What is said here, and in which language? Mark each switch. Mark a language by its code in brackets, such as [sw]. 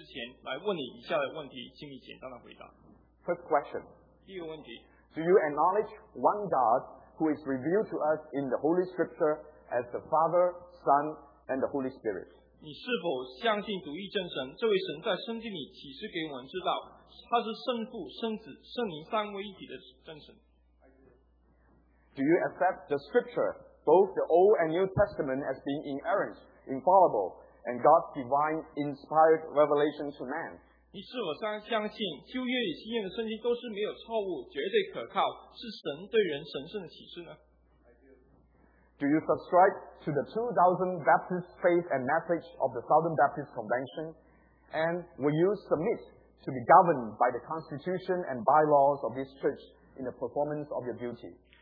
[zh] 现在为了使这里的弟兄姐妹能知道你的心意，并听到你的承诺，并印证你对这个信仰与委身的公开告白能推动你去尽上责任。我们以属于美南基督会的安城环基督教会的名义，在你被安立之前，来问你以下的问题，请你简单的回答。 [en] First question. Do you acknowledge one God who is revealed to us in the Holy Scripture as the Father, Son, and the Holy Spirit? [zh] 你是否相信独一真神，这位神在圣经里启示给我们知道，他是圣父、圣子、圣灵三位一体的真神？ [en] Do you accept the Scripture, both the Old and New Testament, as being inerrant, infallible, and God's divine inspired revelation to man? [zh] 你是否相信旧约与新约的圣经都是没有错误、绝对可靠，是神对人神圣的启示呢？ [en] Do you subscribe to the 2000 Baptist faith and message of the Southern Baptist Convention? And will you submit to be governed by the constitution and bylaws of this church in the performance of your duty?